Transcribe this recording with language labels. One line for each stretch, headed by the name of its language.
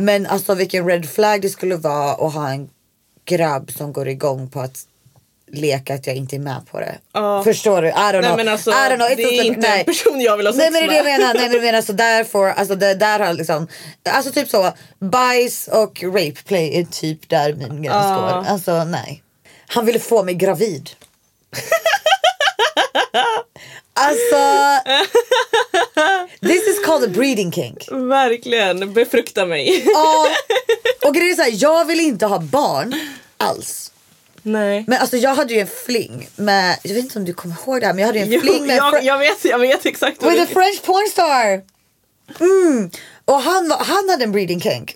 Swedish: Men alltså vilken red flag det skulle vara att ha en grabb som går igång på att leka att jag inte är med på det. Förstår du?
English: I don't know.
Swedish: Det är inte en person jag vill ha sex med. Nej, men det är det jag menar. Nej, men jag menar, så därför, alltså det där har liksom, alltså typ så, bajs och rape play är typ där min gräns går. Alltså, nej. Han ville få mig gravid. Alltså,
English: this is called a breeding kink.
Swedish: Verkligen, befrukta mig. Och grejen är såhär, jag vill inte ha barn alls. Nej. Men alltså jag hade ju en fling med, jag vet inte om du kommer ihåg det här, men jag hade ju en fling med jag vet exakt
English: with a French pornstar. Mm.
Swedish: Och han hade en
English: breeding kink.